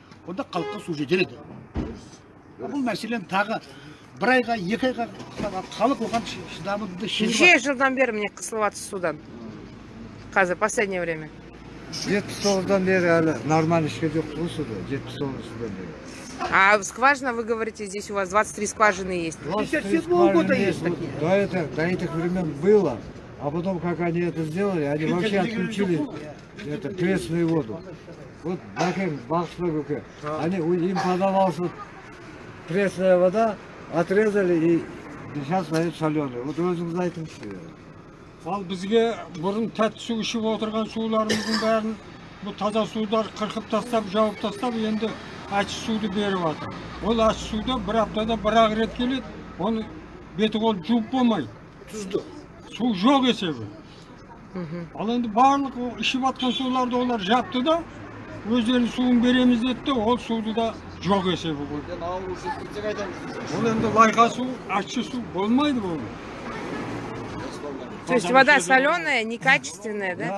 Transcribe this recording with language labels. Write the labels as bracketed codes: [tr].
[kk] Онда халыққа су жетер еді. Бұл мәселен тағы бір айға, 2 айға халық оған шыдамды шешіп. Неше жылдан бері міне қысылып жатыр судан? [ru] Қазір последнее время. [kk] 79-дан бері әлі нормально ішке жоқ қой суды. 79-дан бері. [ru] А скважина, вы говорите, здесь у вас 23 скважины есть. 57-го года есть такие. До этих времен было. А потом, как они это сделали, они вообще отключили это пресную воду. Вот таким бахслыгуке. Они им подавался пресная вода, отрезали и сейчас дают соленую. Вот вы знаете все. [kk] Ал бізге бұрын тәтті су ішіп отырған суларымыздың бәрін бұл таза сулар қырқып тастап, жауып тастап, енді ащы суды беріп жатыр. Ол ащы суды бір аптада бір ақ рет келеді, оны беті қолын жуып болмайды. Тұзды. Су жоқ есебі. Ал енді барлық ішіп жатқан суларды олар жапты да, өздерінің суын береміз деді, ол суды да жоқ есебі ғой. Ол енді лайға су, ащы су болмайды бұл. [ru] То есть вода соленая, некачественная, да?